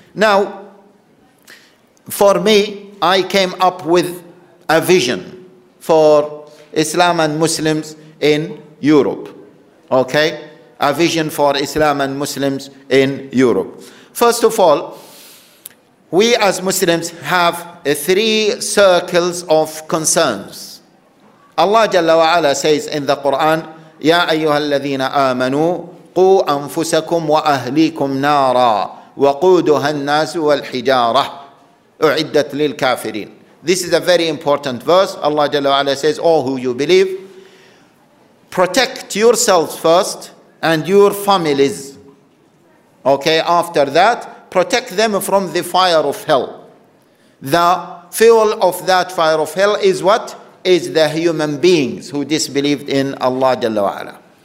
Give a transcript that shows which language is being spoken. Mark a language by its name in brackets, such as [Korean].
[English] Now, for me, I came up with a vision for Islam and Muslims in Europe. Okay? A vision for Islam and Muslims in Europe. First of all, we as Muslims have three circles of concerns. Allah Jalla wa Ala says [Arabic] in the Quran, يَا أَيُّهَا الَّذِينَ آمَنُوا قُوا أَنفُسَكُمْ وَأَهْلِيكُمْ نَارًا وَقُودُهَا النَّاسُ وَالْحِجَارَةُ أُعِدَّتْ لِلْكَافِرِينَ. [English] This is a very important verse. Allah Jalla wa Ala says, all who you believe, protect yourselves first and your families. Okay, after that, protect them from the fire of hell. The fuel of that fire of hell is what? Is the human beings who disbelieved in Allah Jalla wa Ala.